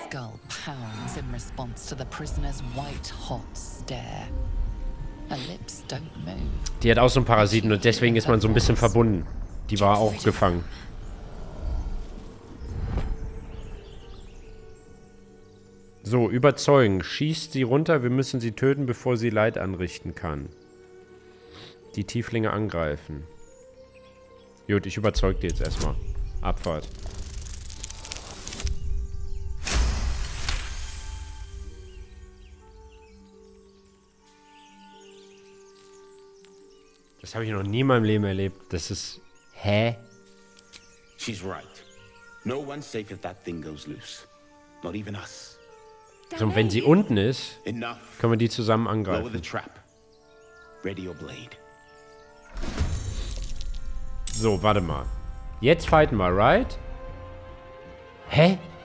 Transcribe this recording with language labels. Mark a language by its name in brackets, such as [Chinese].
[English] Skull pounds in response to the prisoner's white hot stare. Her lips don't move. [German] Die hat auch so einen Parasiten und deswegen ist man so ein bisschen verbunden. Die war auch gefangen. So, überzeugen. Schießt sie runter, wir müssen sie töten, bevor sie Leid anrichten kann. Die Tieflinge angreifen. Gut, ich überzeug die jetzt erstmal. Abfahrt. Das habe ich noch nie in meinem Leben erlebt. Das ist... Hä? [English] She's right. No one's safe if that thing goes loose. Not even us. [German] So, wenn sie unten ist, können wir die zusammen angreifen. [English] Lower the trap. Ready your blade. [German] So, warte mal. Jetzt fighten wir, [English] right? [German] Hä?